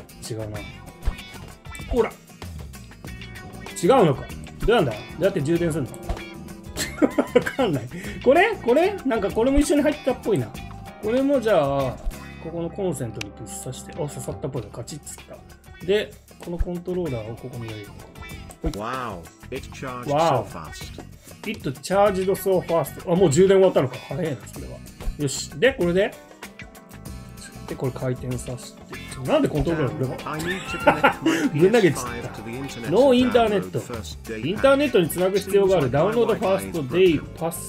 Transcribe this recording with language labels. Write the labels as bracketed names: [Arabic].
[Japanese] 違うな。ほら。違うのか。どうなんだ？どうやって充電するの？わかんない。これなんかこれも一緒に入ったっぽいな。これもじゃあ、ここのコンセントにぶっ刺して、あ、刺さったっぽいな。カチッつった。で、このコントローラーをここにやるのか。 [English] わお、It charged so fast. It charged so fast. [Japanese] あ、もう充電終わったのか。早いな、それは。よし。で、これで。で、これ回転させて。なんでコントローラーこれは。ぶん投げちった。 [English] No internet。 [Japanese] インターネットにつなぐ必要がある。ダウンロードファーストデイパス。